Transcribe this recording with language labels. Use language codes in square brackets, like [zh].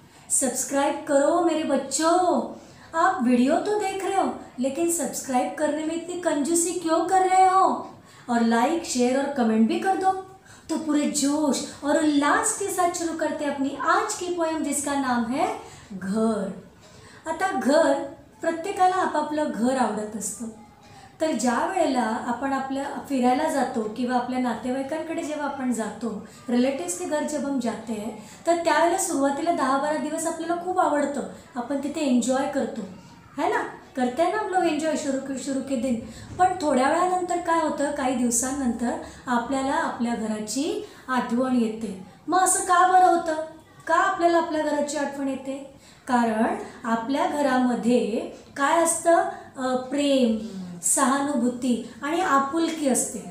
[hi] Subscribe करो मेरे बच्चों। आप वीडियो तो देख रहे हो लेकिन सब्सक्राइब करने में इतनी कंजूसी क्यों कर रहे हो? और लाइक शेयर और कमेंट भी कर दो। तो पूरे जोश और उल्लास के साथ शुरू करते हैं अपनी आज की पोयम जिसका नाम है घर। [mr] आता घर प्रत्येकाला आपापलं घर आवडत असतं। तर ज्या वेळेला आपण आपल्या फिरायला जातो किंवा आपल्या नातेवाईकांकडे जेव्हा आपण जातो, रिलेटिव्सचे घर जेव्हा जाते आहे, तर त्यावेळेला सुरुवातीला 10-12 दिवस आपल्याला खूप आवडतं। आपण तिथे एन्जॉय करतो, है ना? [hi] करते ना हम लोग एन्जॉय शुरू के दिन। [mr] पण थोड्या वेळानंतर काय होतं, काही दिवसांनंतर आपल्याला आपल्या घराची आठवण येते। मग असं का बरं होतं? का आपल्याला आपल्या घराची आठवण येते? कारण आपल्या घरामध्ये काय असतं, प्रेम, सहानुभूती आणि आपुलकी असते।